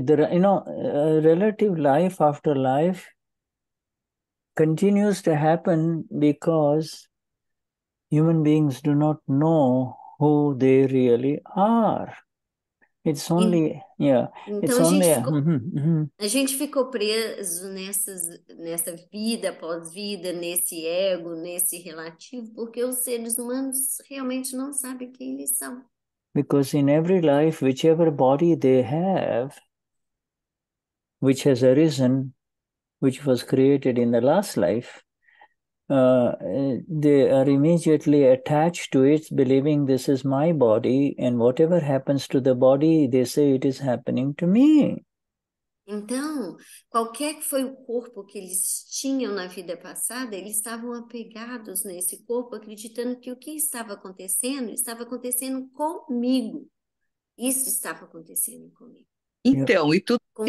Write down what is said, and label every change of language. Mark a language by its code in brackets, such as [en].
[en] Relative life after life continues to happen because human beings do not know who they really are. It's only, yeah, [pt] Então [en] it's [pt] a gente [en] only. [pt] ficou. A gente ficou preso nessa vida após vida, nesse ego, nesse relativo, porque os seres humanos realmente não sabem quem eles são. [en] Because in every life, whichever body they have, which has arisen, which was created in the last life, they are immediately attached to it, believing this is my body, and whatever happens to the body, they say it is happening to me. [pt] Então, qualquer que foi o corpo que eles tinham na vida passada, eles estavam apegados nesse corpo, acreditando que o que estava acontecendo comigo. Isso estava acontecendo comigo. Então, e tudo Com o